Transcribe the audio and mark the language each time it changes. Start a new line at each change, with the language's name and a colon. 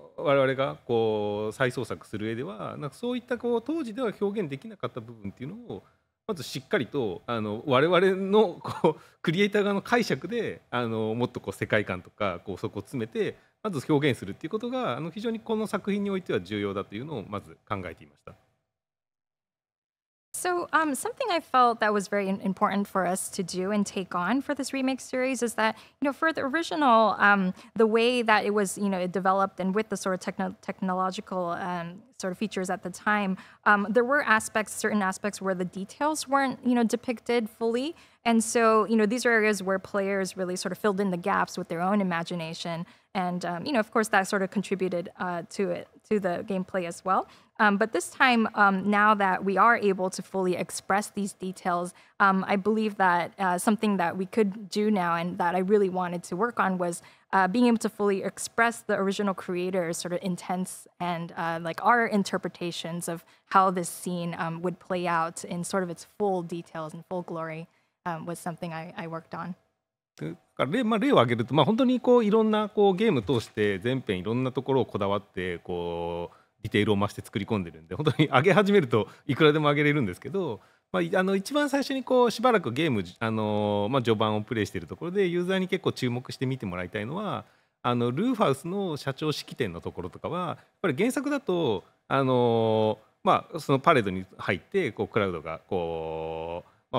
Japanese: 々がこう再創作する上では、なんかそういったこう当時では表現できなかった部分っていうのをまずしっかりと我々のこうクリエイター側の解釈でもっとこう世界観とかこうそこを詰めてまず表現するっていうことが非常にこの作品においては重要だというのをまず考えていました。
English: So something I felt that was very important for us to do and take on for this remake series is that, you know, for the original, the way that it was, it developed and with the sort of technological sort of features at the time, there were certain aspects where the details weren't, depicted fully. And so, these are areas where players really sort of filled in the gaps with their own imagination. And, of course, that sort of contributed to it, to the gameplay as well. But this time, now that we are able to fully express these details, I believe that something that we could do now and that I really wanted to work on was being able to fully express the original creator's sort of intents and our interpretations of how this scene would play out in sort of its full details and full glory was something I worked on.
Japanese: 例を挙げると、本当にこういろんなこうゲーム通して全編いろんなところをこだわってこうディテールを増して作り込んでるんで、本当に上げ始めるといくらでも上げれるんですけど、一番最初にこうしばらくゲーム序盤をプレイしているところでユーザーに結構注目して見てもらいたいのは、ルーファウスの社長式典のところとかはやっぱり原作だとそのパレードに入ってこうクラウドがこう